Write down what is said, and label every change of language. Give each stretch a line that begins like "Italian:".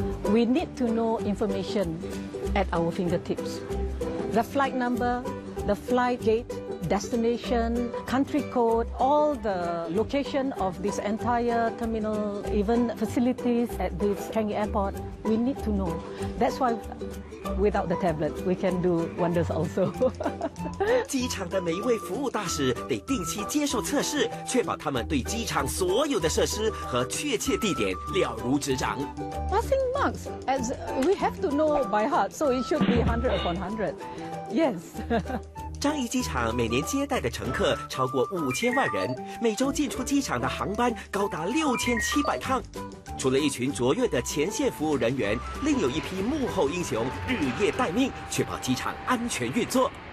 English: We need to know information at our fingertips. The flight number, the flight gate, destination, country code, all the location of this entire terminal, even facilities at this Changi Airport, we need to know. That's why... Without the tablet, we can do wonders also.
Chinese: 机场的每一位服务大使得定期接受测试，确保他们对机场所有的设施和确切地点了如指掌。
English: Passing marks, as we have to know by heart, so it should be 100 upon 100. Yes.
Chinese: 樟宜机场每年接待的乘客超过5000万人，每周进出机场的航班高达6700趟。除了一群卓越的前线服务人员，另有一批幕后英雄日夜待命，确保机场安全运作。